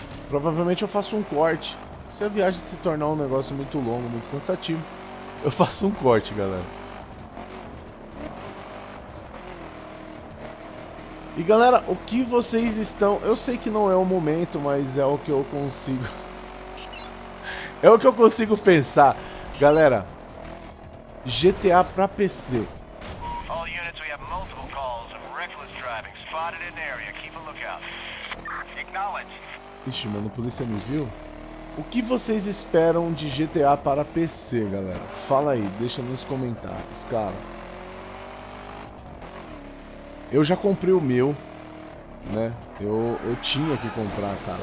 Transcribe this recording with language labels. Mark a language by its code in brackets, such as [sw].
[pt] Provavelmente eu faço um corte. Se a viagem se tornar um negócio muito longo, muito cansativo, eu faço um corte, galera. E galera, o que vocês estão... Eu sei que não é o momento, mas é o que eu consigo... é o que eu consigo pensar. Galera, GTA pra PC. [en] All units, we have multiple calls of reckless driving spotted in the area. Keep a lookout. Acknowledge. [pt] Ixi, mano, a polícia me viu? O que vocês esperam de GTA para PC, galera? Fala aí, deixa nos comentários, cara. Eu já comprei o meu, né? Eu tinha que comprar, cara.